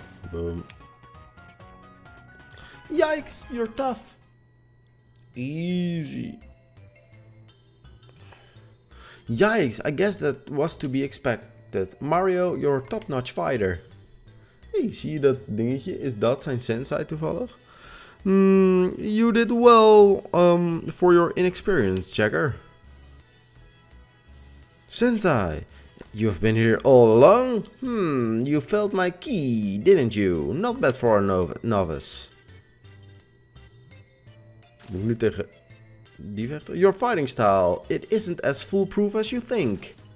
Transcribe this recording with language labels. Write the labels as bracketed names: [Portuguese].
[English] Boom. Yikes, you're tough. Easy. Yikes, I guess that was to be expected. Mario, you're a top-notch fighter. [Dutch] Hey, zie je dat dingetje? Is dat zijn sensei toevallig? [English] You did well for your inexperience, checker. Sensei! You've been here all along? You felt my ki, didn't you? Not bad for a novice. [Dutch] Moet ik nu tegen die vechter? [English] Your fighting style, it isn't as foolproof as you think.